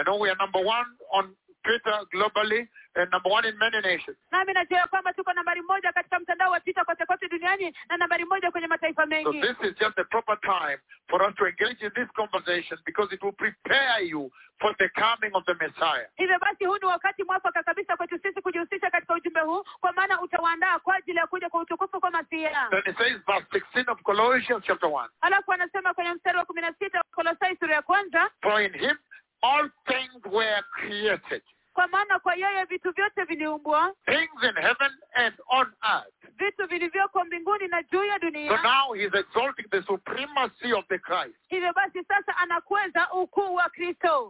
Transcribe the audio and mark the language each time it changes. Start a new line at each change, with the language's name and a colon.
English: I know we are number one on Twitter globally and number one in many nations.
Swahili: Nami najua ya kwamba tuko nambari moja katika mtandao wa Twitter kote kote duniani na nambari moja kwenye mataifa mengi.
English: So this is just the proper time for us to engage in this conversation because it will prepare you for the coming of the Messiah.
Swahili: Hivyo basi huu ni wakati mwafaka kabisa kwetu sisi kujihusisha katika ujumbe huu kwa maana utawaandaa kwa ajili ya kuja kwa utukufu kwa Masia.
English: Then it says verse 16 of Colossians chapter 1.
Swahili: Alafu anasema kwenye mstari wa 16 wa Kolosai sura ya kwanza.
English: For in him all things were created.
Swahili: Kwa maana kwa yeye vitu vyote viliumbwa.
English: Things in heaven and on earth.
Swahili: Vitu vilivyoko mbinguni na juu ya dunia.
English: So now he's exalting the supremacy of the Christ.
Swahili: Hivyo basi sasa anakweza ukuu wa Kristo.